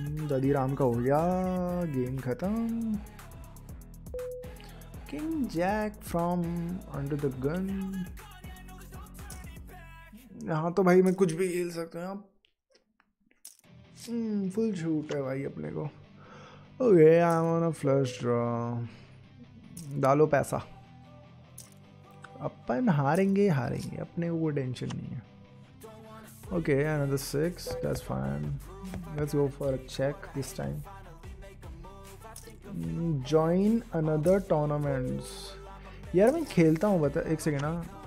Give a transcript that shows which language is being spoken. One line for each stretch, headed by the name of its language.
Hindi: दादी राम का हो गया गेम खत्म, king Jack from under the gun, यहाँ तो भाई मैं कुछ भी खेल सकता हूँ, फुल झूठ है भाई अपने को,
English: okay I am on a flush draw,
Hindi: डालो पैसा, अपन हारेंगे हारेंगे अपने को टेंशन नहीं है,
English: Okay another 6 that's fine, let's go for a check this time, join another tournaments.
Hindi: यार मैं खेलता हूँ बता, एक सेकेंड ना.